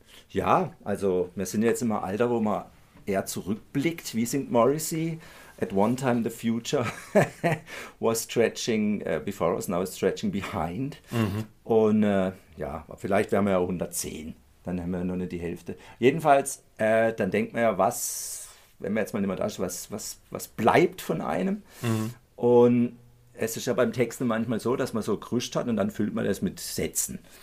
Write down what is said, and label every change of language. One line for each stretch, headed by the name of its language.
German: Ja, also wir sind jetzt im Alter, wo man eher zurückblickt. Wie singt Morrissey?
English: At one time the future was stretching before us, now it's stretching behind. Mhm.
German: Und ja, vielleicht wären wir ja 110, dann haben wir ja nur nicht die Hälfte. Jedenfalls, dann denkt man ja, was, wenn man jetzt mal nicht mehr da ist, was bleibt von einem? Mhm. Und es ist ja beim Texten manchmal so, dass man so Krüscht hat und dann füllt man das mit Sätzen.